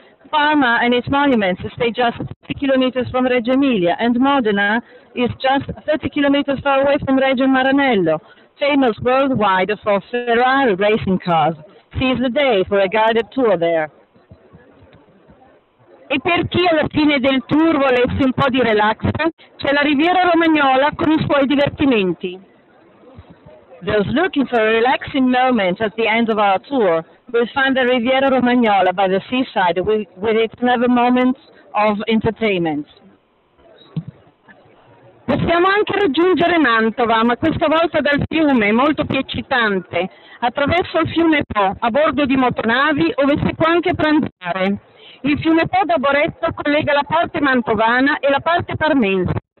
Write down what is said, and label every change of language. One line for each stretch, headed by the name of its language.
English: Parma and its monuments stay just 30 kilometers from Reggio Emilia and Modena is just 30 kilometers far away from Reggio Maranello, famous worldwide for Ferrari racing cars. Seize the day for a guided tour there.
Italian: E per chi alla fine del tour volesse un po' di relax, c'è la Riviera Romagnola con i suoi divertimenti.
English: Those looking for a relaxing moment at the end of our tour will find the Riviera Romagnola by the seaside with its never moments of entertainment.
Italian: Possiamo anche raggiungere Mantova, ma questa volta dal fiume, molto più eccitante, attraverso il fiume Po, a bordo di motonavi, dove si può anche pranzare. Il fiume Po da Boretto collega la parte mantovana e la parte parmense.